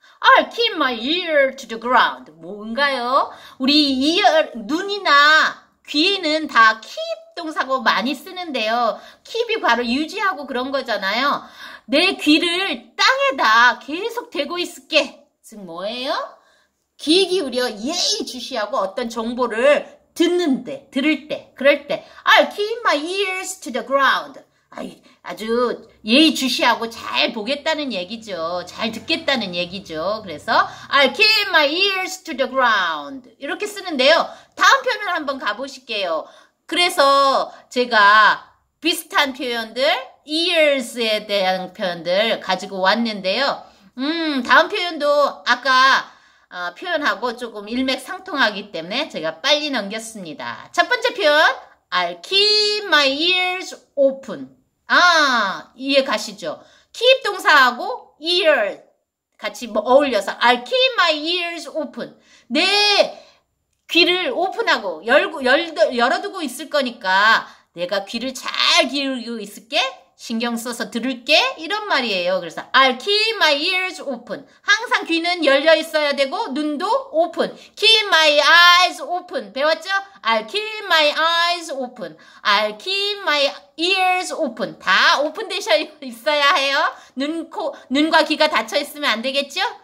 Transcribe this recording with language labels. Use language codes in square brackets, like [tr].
[en] I'll keep my ear to the ground. [ko] 뭔가요? 우리 눈이나 귀는 다 keep 동사고 많이 쓰는데요. keep이 바로 유지하고 그런 거잖아요. 내 귀를 땅에다 계속 대고 있을게. 즉 뭐예요? 귀 기울여 예의 주시하고 어떤 정보를 듣는데, 들을 때, 그럴 때 [en] I'll keep my ears to the ground. [ko] 아주 예의주시하고 잘 보겠다는 얘기죠. 잘 듣겠다는 얘기죠. [en] 그래서 I'll keep my ears to the ground. [ko] 이렇게 쓰는데요. 다음 표현을 한번 가보실게요. 그래서 제가 비슷한 표현들, ears에 대한 표현들 가지고 왔는데요. 다음 표현도 아까 표현하고 조금 일맥상통하기 때문에 제가 빨리 넘겼습니다. 첫 번째 표현, [en] I'll keep my ears open. [ko] 이해 가시죠? keep 동사하고 ear 같이 뭐 어울려서 [en] I keep my ears open. [ko] 내 귀를 오픈하고 열어두고 있을 거니까 내가 귀를 잘 기울이고 있을게. 신경 써서 들을게. 이런 말이에요. [en] 그래서 I keep my ears open. [ko] 항상 귀는 열려 있어야 되고 눈도 open. [en] Keep my eyes open. [ko] 배웠죠? [en] I keep my eyes open. I keep my ears open. [ko] 다 오픈되어 있어야 해요. 눈과 귀가 닫혀 있으면 안 되겠죠?